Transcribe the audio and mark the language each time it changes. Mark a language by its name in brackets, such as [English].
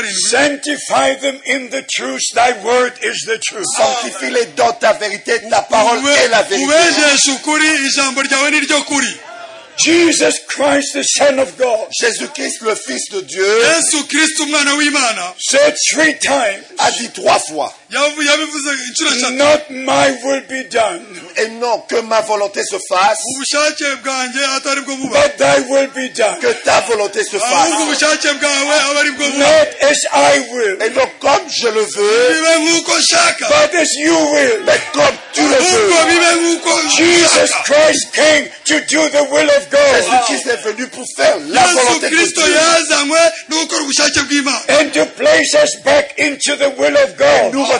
[English] Sanctify them in the truth, thy word is the truth. [French] Sanctifie-les dans ta vérité, ta parole est la vérité. [English] Jesus Christ, the Son of God. [French] Jésus-Christ, le Fils de Dieu. [Kinyarwanda] Jésus-Christ, umwana w'Imana. [English] Said three times. [French] A dit trois fois. [English] Not my will be done. [French] Et non, que ma volonté se fasse. [English] But thy will be done. [French] Que ta volonté se fasse. [English] Not as I will. [French] Et non, comme je le veux. [English] But as you will. [French] Mais comme tu le veux. [English] Jesus Christ came to do the will of God. [French] Jésus-Christ est venu pour faire la volonté de Dieu. [English] And to place us back into the will of God.